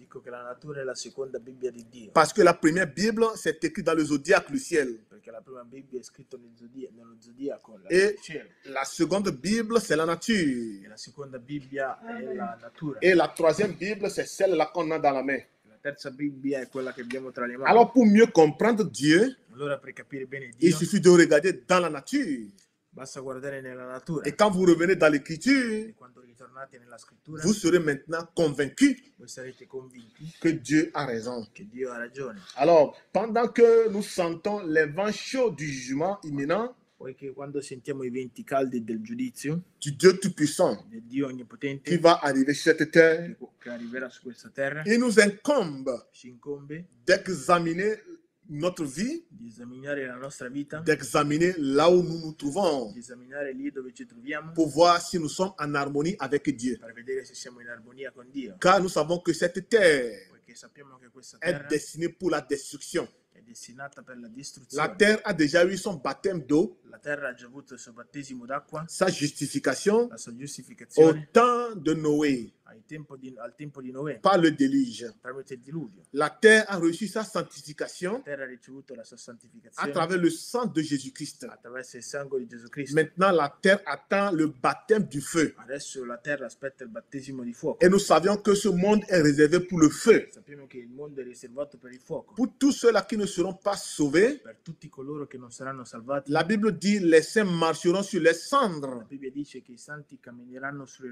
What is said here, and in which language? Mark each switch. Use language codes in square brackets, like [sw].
[it] Che la natura è la seconda Bibbia di Dio. [fr] Parce que la première Bible c'est écrit dans le zodiaque le ciel. [it] Perché la prima Bibbia è scritta nello zodiaco. [fr] Et la seconde Bible c'est la nature. [it] E la seconda Bibbia è la natura. [fr] Et la troisième Bible c'est celle là qu'on a dans la main. [it] La terza Bibbia è quella che abbiamo tra le mani. [fr] Alors pour mieux comprendre Dieu, [it] allora per capire bene Dio, [fr] il suffit de regarder dans la nature. [it] Basta guardare nella natura. [fr] Et quand vous revenez dans l'écriture, [it] quando ritornate nella scrittura, [fr] vous serez maintenant convaincus, [it] voi sarete convinti [fr] que Dieu a raison, [it] che Dio ha ragione. [fr] Alors, pendant que nous sentons les vents chauds du jugement imminent, [it] poiché quando sentiamo i venti caldi del giudizio, [fr] du Dieu tout-puissant, [it] del Dio onnipotente, [fr] qui va arriver sur cette terre, [it] che arriverà su questa terra, [fr] il nous incombe, [it] ci incombe [fr] d'examiner notre vie, [it] d'examiner la nostra vita, [fr] d'examiner là où nous nous trouvons, [it] d'examiner lì dove ci troviamo, [fr] pour voir si nous sommes en harmonie avec Dieu, [it] per vedere se siamo in armonia con Dio. [fr] Car nous savons que cette terre, [it] poiché sappiamo che questa terra [fr] è destinée pour la destruction, [it] è destinata per la distruzione. [fr] La terre a déjà eu son baptême d'eau, [it] la terra ha già avuto il suo battesimo d'acqua, [fr] sa justification, [it] la sua giustificazione, [fr] au temps de Noé, [it] al tempo di Noè, [fr] par le déluge, [it] tramite il diluvio. [fr] La terre a reçu sa sanctification, [it] la terra ha ricevuto la sua santificazione, [fr] à travers le sang de Jésus-Christ, [it] attraverso il sangue di Gesù Cristo. [fr] Maintenant la terre attend le baptême du feu, [it] adesso la terra aspetta il battesimo di fuoco. [fr] Et nous savions que ce monde est réservé pour le feu, [it] sappiamo che il mondo è riservato per il fuoco. [fr] Pour tous ceux là qui ne seront pas sauvés, [it] per tutti coloro che non saranno salvati, [fr] la Bible dit les saints marcheront sur les cendres, [it] la Bibbia dice che i santi cammineranno sulle